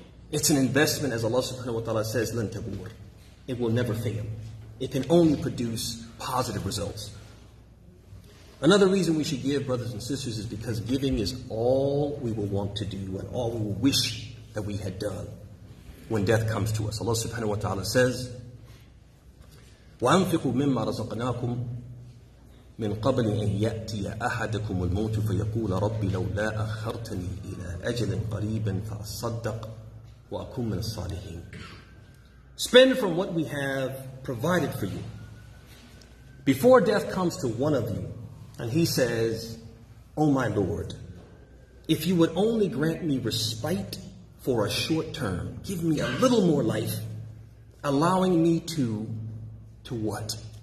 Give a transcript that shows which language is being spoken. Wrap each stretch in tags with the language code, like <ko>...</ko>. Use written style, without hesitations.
<en>It's an investment, as Allah subhanahu wa ta'ala says,</en> <ar>لَن تَبُور.</ar> <en>It will never fail. It can only produce positive results. Another reason we should give, brothers and sisters, is because giving is all we will want to do and all we will wish that we had done when death comes to us. Allah subhanahu wa ta'ala says,</en> <ar>وَأَنْفِقُوا مِمَّا رَزَقْنَاكُمْ مِنْ قَبْلِ أَنْ يَأْتِيَ أَحَدَكُمُ الْمَوْتُ فَيَقُولَ رَبِّ لَوْ لَا أَخَّرْتَنِي إِلَىٰ أَجْلٍ قَرِيبٍ فَأَصَّدَّقْ وَأَكُمْ مِنَ الصَّالِحِينَ.</ar> <en>Spend from what we have provided for you. Before death comes to one of you, and he says, O my Lord, if you would only grant me respite for a short term, give me a little more life, allowing me to what?</en>